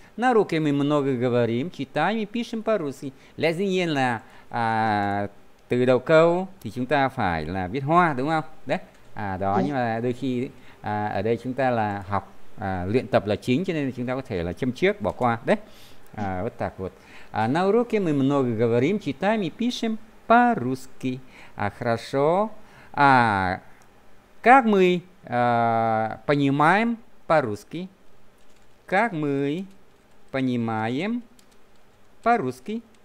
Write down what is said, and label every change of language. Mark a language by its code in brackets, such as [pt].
[ru] На уроке мы много говорим, читаем и пишем по-русски. [vi] Lẽ dĩ nhiên là à, từ đầu câu thì chúng ta phải là viết hoa, đúng không? Đấy. À, đó, yeah. Nhưng mà đôi khi à, ở đây chúng ta là học, à, luyện tập là chính, cho nên chúng ta có thể là châm trước, bỏ qua. Đấy. À, bất tạc vụt. [ru] À, на уроке мы много говорим, читаем и пишем по-русски. À, хорошо. À, как мы понимаем по-русски? Как мы понимаем по-русски?